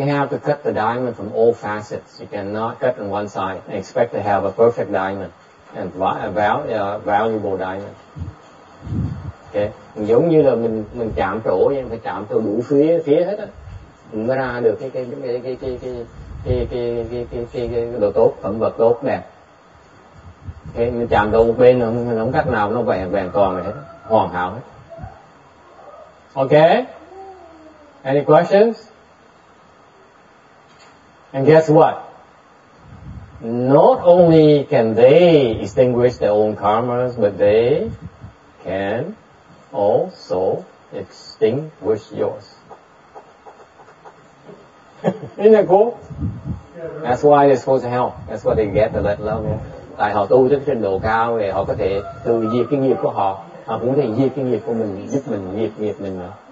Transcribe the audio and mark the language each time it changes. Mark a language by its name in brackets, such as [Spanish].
[English] You have to cut the diamond from all facets. You cannot cut on one side and expect to have a perfect diamond. And valuable diamond. Okay? [Vietnamese] Giống như là mình chạm trổ, nhưng phải chạm từ đủ phía hết á. Mình mới ra được cái đồ tốt, phẩm vật tốt đẹp. Cái mình chạm đầu một bên không cách nào nó vẹn còn hết, hoàn hảo hết. [English] Ok? Any questions? And guess what? Not only can they extinguish their own karmas, but they can also extinguish yours. Isn't that cool? That's why they're supposed to help. That's what they get, the let alone. [Vietnamese] Tại họ tu đến trình độ cao thì họ có thể từ diệt cái nghiệp của họ, họ cũng có thể diệt cái nghiệp của mình, giúp mình diệt nghiệp mình nữa.